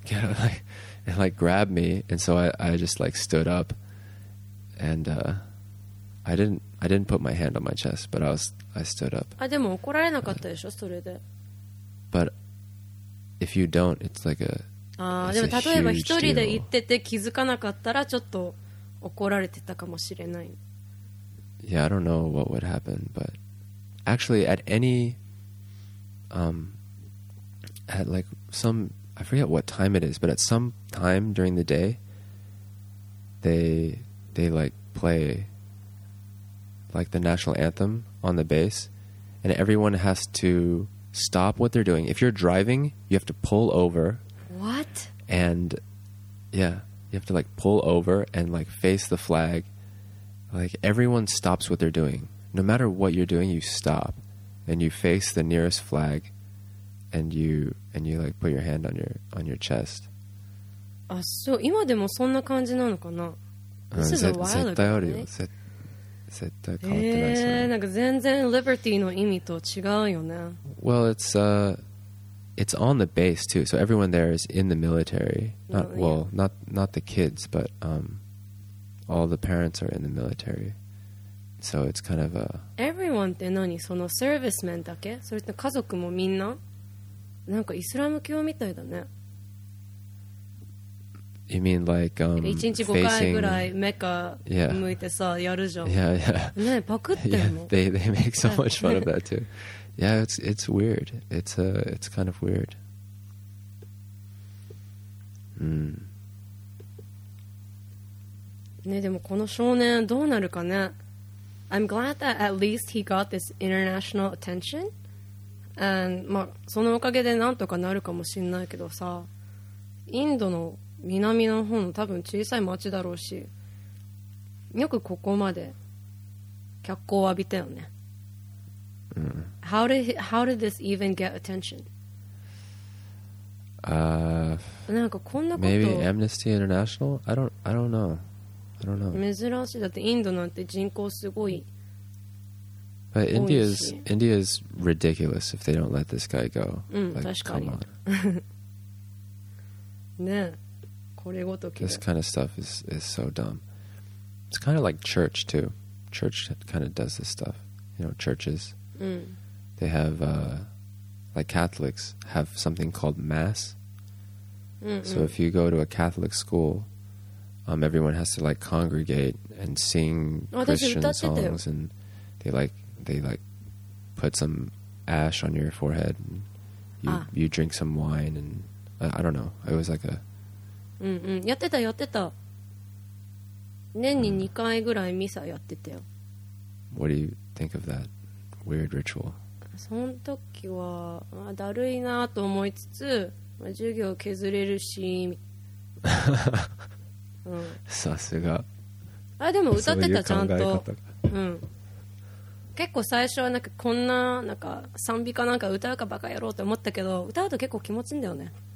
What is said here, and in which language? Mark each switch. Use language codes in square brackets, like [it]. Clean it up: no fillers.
[en] Like, and like grabbed me, and so I just like stood up, and I didn't put my hand on my chest, but I stood up. [ja] あ、でも怒られなかったでしょ、それで。 [en] But if you don't, it's like a [ja] でも例えば一人で行ってて気づかなかったらちょっと怒られてたかもしれない。 [en] Yeah, I don't know what would happen, but actually at any at like some I forget what time it is, but at some time during the day they like play like the national anthem on the base, and everyone has to stop what they're doing. If you're driving, you have to pull over. What? And yeah, you have to like pull over and like face the flag. Like everyone stops what they're doing. No matter what you're doing, you stop and you face the nearest flag and you like put your hand on your chest. [ja] あ、そう、今でもそんな感じなのかな? [en] This is a while ago, [ja] 絶対あるよ、絶対変わってないですね。なんか全然 liberty の意味と違うよね。 [en] Well, it's on the base too. So everyone there is in the military. Not, well, not the kids, but all the parents are in the military. So it's kind of a... [ja] Everyone って何？その service men だけ？それって家族もみんな？なんかイスラム教みたいだね。 [en] You mean like facing... [ja] 1日5回ぐらいメカ向いてさ、 [en] yeah. [ja] やるじゃん。 [en] Yeah, yeah. [ja] ね、パクってんの？ [en] Yeah, they make so much fun of that too. Yeah, it's weird. It's kind of weird. [ja] ね、でもこの少年どうなるかね。 [en] I'm glad that at least he got this international attention. [ja] And まあそのおかげでなんとかなるかもしれないけどさ、インドの南の方の多分小さい町だろうし、よくここまで脚光を浴びたよね。 [en] How did this even get attention? [ja] なんかこんなこと、 [en] maybe Amnesty International? I don't know. [ja] 珍しい。だってインドなんて人口すごい。 [en] But India is ridiculous if they don't let this guy go. [ja] Like, 確かに。ねえ、これごとき。 [en] This kind of stuff is so dumb. It's kind of like church too. Church kind of does this stuff. You know, churches. They have, like Catholics have something called mass. So if you go to a Catholic school, everyone has to like congregate and sing Christian songs, and they put some ash on your forehead, and you drink some wine, and I don't know. It was like a. [ja] やってたやってた。年に2回ぐらいミサやってたよ。 [en] What do you think of that weird ritual? [ja] その時は、まあ、だるいなと思いつつ、まあ、授業削れるし。さすが。あ、でも歌ってたちゃんと。結構最初はなんかこんな、なんか賛美かなんか歌うかバカ野郎って思ったけど、歌うと結構気持ちいいんだよね。